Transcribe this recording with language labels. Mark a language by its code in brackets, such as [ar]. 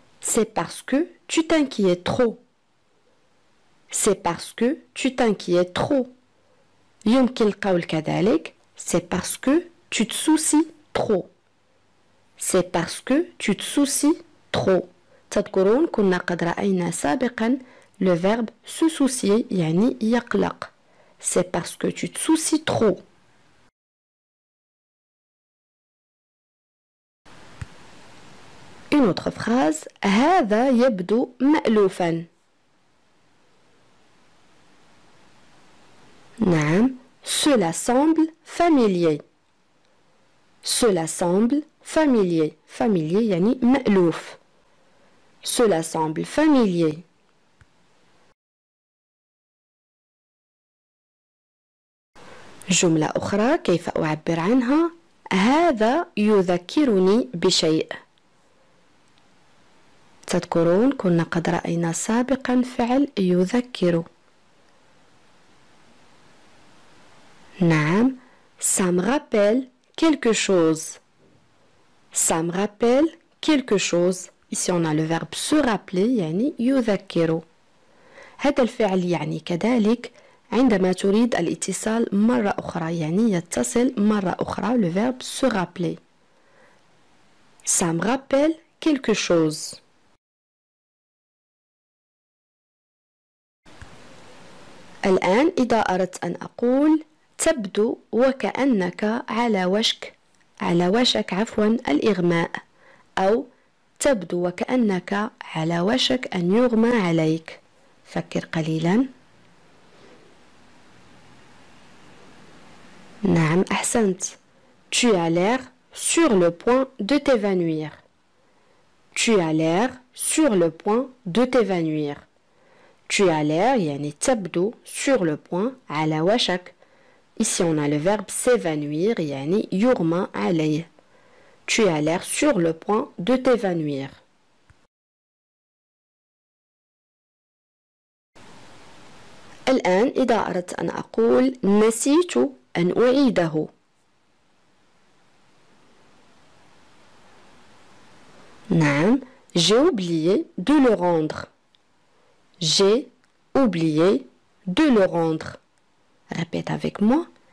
[fr] C'est parce que tu t'inquiètes trop. C'est parce que tu t'inquiètes trop. [ar] يمكن القول كذلك. [fr] C'est parce que tu te soucies trop. C'est parce que tu te soucies trop. [ar] تذكرون كنا قد رأينا سابقا [fr] le verbe se soucier [ar] يعني يقلق. [fr] C'est parce que tu te soucies trop. Une autre phrase. [ar] هذا يبدو مألوفا. نعم. [fr] Cela semble familier. Cela semble familier. [ar] Familier يعني مألوف. [fr] Cela semble familier. [ar] جملة أخرى كيف أعبر عنها؟ هذا يذكرني بشيء. تذكرون كنا قد رأينا سابقا فعل يذكر. نعم. [fr] Ça me rappelle quelque chose. Ça me rappelle quelque chose. Ici on a le verbe se rappeler [ar] يعني يذكر. هذا الفعل يعني كذلك عندما تريد الاتصال مرة أخرى يعني يتصل مرة أخرى [fr] le verbe se rappeler. Ça me rappelle quelque chose. [ar] الآن إذا أردت أن أقول تبدو وكأنك على وشك الإغماء أو تبدو وكأنك على وشك أن يغمى عليك. فكر قليلا. نعم أحسنت. [fr] Tu as l'air sur le point de t'évanouir. Tu as l'air sur le point de t'évanouir. Tu as l'air [ar] يعني تبدو [fr] sur le point [ar] على وشك. [fr] Ici on a le verbe s'évanouir [ar] يعني يغمى عليه. [fr] Tu as l'air sur le point de t'évanouir. [ar] الآن إذا أردت أن أقول نسيت أن أعيده. نعم. [fr] J'ai oublié de le rendre. J'ai oublié de le rendre. Répète avec moi.